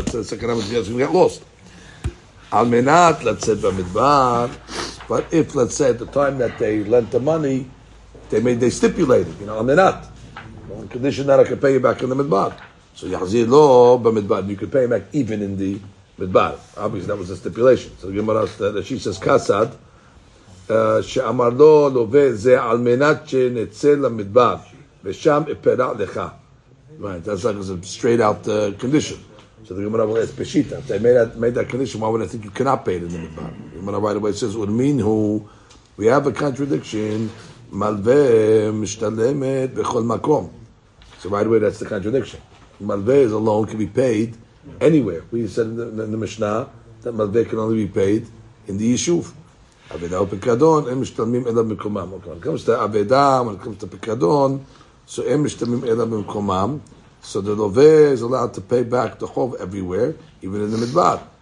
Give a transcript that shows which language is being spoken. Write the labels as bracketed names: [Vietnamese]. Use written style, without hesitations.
[English] It's sakana, it's going to get lost. [Hebrew] Almenat, let's say, b'midbar. [English] But if, let's say, at the time that they lent the money, they stipulated, you know, almenat. On condition that I could pay you back in the midbar. [Hebrew] So yahzir lo b'midbar. [English] You could pay him back even in the midbar. Obviously, that was a stipulation. So Gemara, she says, kasad. [Hebrew] שאמר לו לווה זה על מנת שנצא למדבר ושם אפרע לך. [English] Right, that's like a straight out condition. So the Gemara says, Peshita, they made that condition, why would I think you cannot pay it in the midbar? The Gemara right away says, Urmin hu, we have a contradiction, [Hebrew] מלווה משתלמת בכל מקום. [English] So right away, that's the contradiction. מלווה is a loan, can be paid anywhere. We said in the Mishnah that מלווה can only be paid in the Yishuv. Aveda or Pekadon, [Hebrew] em mishtalmim ela mekomam. [English] When it comes to Aveda, when it comes to Pekadon, so em mishtalmim ela mekomam, so the Loveh is allowed to pay back the Chov everywhere, even in the Midbar.